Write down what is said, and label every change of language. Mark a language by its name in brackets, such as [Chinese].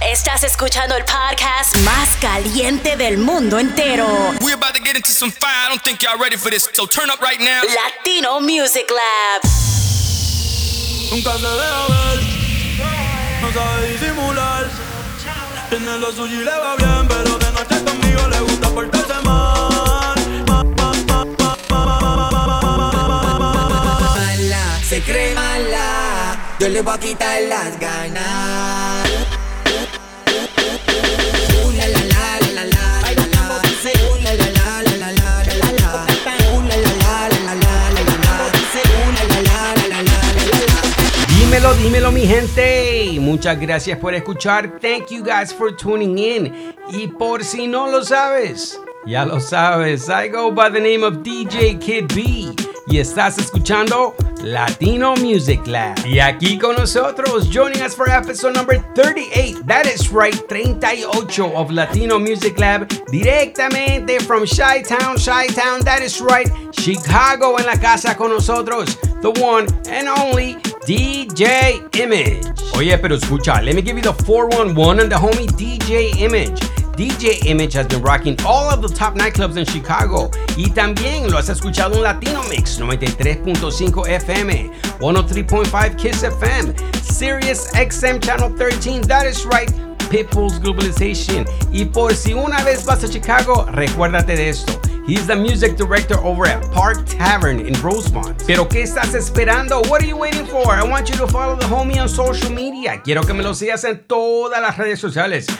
[Spanish] Estás escuchando el podcast más caliente del mundo entero. [English] We're about to get into some fire. I don't think y'all ready for this, so turn up right now. Latino Music Lab. [Spanish] Nunca se deja ver, no sabe disimular. Tiene lo suyo y le va bien, pero de noche conmigo le gusta portarse mal. Mala, se cree mala, yo le voy a quitar las ganas. Dímelo, mi gente. Muchas gracias por escuchar. [English] Thank you guys for tuning in. [Spanish] Y por si no lo sabes, ya lo sabes. [English] I go by the name of DJ Kid B. [Spanish] Y estás escuchando Latino Music Lab. Y aquí con nosotros, [English] joining us for episode number 38. That is right, 38 of Latino Music Lab. [Spanish] Directamente [English] from Chi-Town. That is right, [Spanish] Chicago en la casa con nosotros. [English] The one and only DJ Image. [Spanish] Oye, pero escucha, [English] let me give you the 411 on the homie DJ Image. DJ Image has been rocking all of the top nightclubs in Chicago. [Spanish] Y también lo has escuchado en Latino Mix 93.5 FM, 103.5 Kiss FM, Sirius XM Channel 13. [English] That is right, [Spanish] Pitbull's Globalization. Y por si una vez vas a Chicago, recuérdate de esto. [English] He's the music director over at Park Tavern in Rosemont. [Spanish] Pero ¿qué estás esperando? [English] What are you waiting for? I want you to follow the homie on social media. [Spanish] Quiero que me lo sigas en todas las redes sociales.